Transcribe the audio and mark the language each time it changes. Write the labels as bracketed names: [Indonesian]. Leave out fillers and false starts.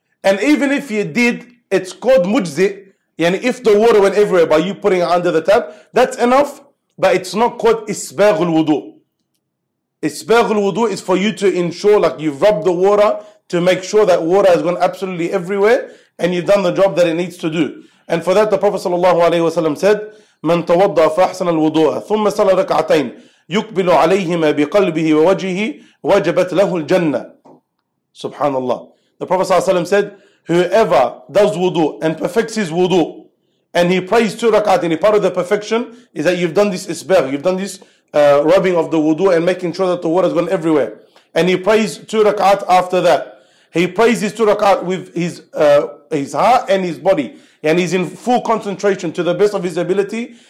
[English] And even if you did, it's called mujzi. And if the water went everywhere by you putting it under the tap, that's enough, but it's not called isbaghul wudu. Isbaghul wudu is for you to ensure, like you've rubbed the water, to make sure that water has gone absolutely everywhere, and you've done the job that it needs to do. And for that, the Prophet sallallahu alaihi wasallam said, [Arabic] من توضى فأحسن الوضوء ثم صلى ركعتين يقبل عليهما بقلبه ووجهه وجبت له الجنة. [English] Subhanallah. The Prophet ﷺ said, whoever does wudu and perfects his wudu and he prays two rak'at, and part of the perfection is that you've done this isbagh, you've done this rubbing of the wudu and making sure that the water has gone everywhere. And he prays two rak'at after that. He prays his two rak'at with his heart and his body, and he's in full concentration to the best of his ability.